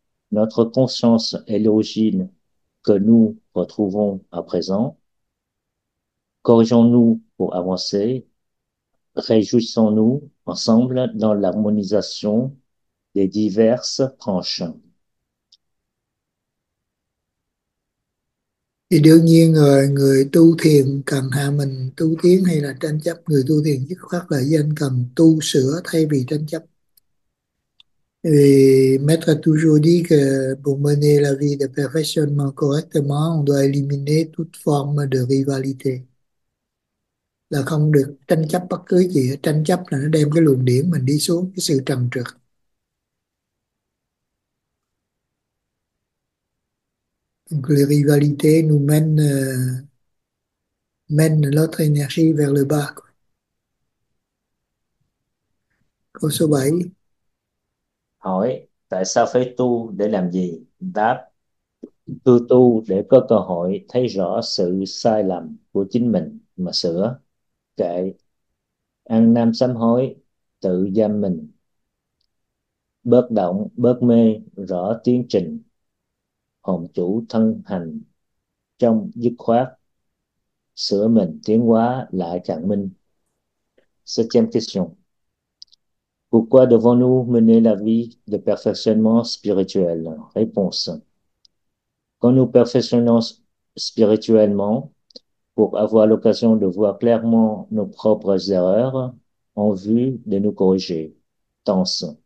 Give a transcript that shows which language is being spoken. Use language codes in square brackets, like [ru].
[fr] Notre conscience est l'origine que nous retrouvons à présent. Corrigeons-nous pour avancer. Réjouissons-nous ensemble dans l'harmonisation des diverses branches. [vi] Thì đương nhiên rồi, người tu thiền cần hạ mình tu tiến hay là tranh chấp. Người tu thiền dứt khoát lợi danh cần tu sửa thay vì tranh chấp. [fr] Et Maître a toujours dit que pour mener la vie de perfectionnement correctement, on doit éliminer toute forme de rivalité. [vi] Là không được tranh chấp bất cứ gì. Tranh chấp là nó đem cái luồng điển mình đi xuống, cái sự trần trượt. [fr] Donc, les rivalités nous mènent notre énergie vers le bas. [vi] Câu số 7. Hỏi tại sao phải tu để làm gì? Đáp: Tu tu để có cơ hội thấy rõ sự sai lầm của chính mình mà sửa. Kệ, ăn năn sám hối, tự giam mình, bớt động, bớt mê, rõ tiến trình, hồn chủ thân hành, trong dứt khoát, sửa mình tiến hóa lại chẳng minh. [fr] Septième question. Pourquoi devons-nous mener la vie de perfectionnement spirituel? Réponse. Quand nous perfectionnons spirituellement, pour avoir l'occasion de voir clairement nos propres erreurs en vue de nous corriger. Tense.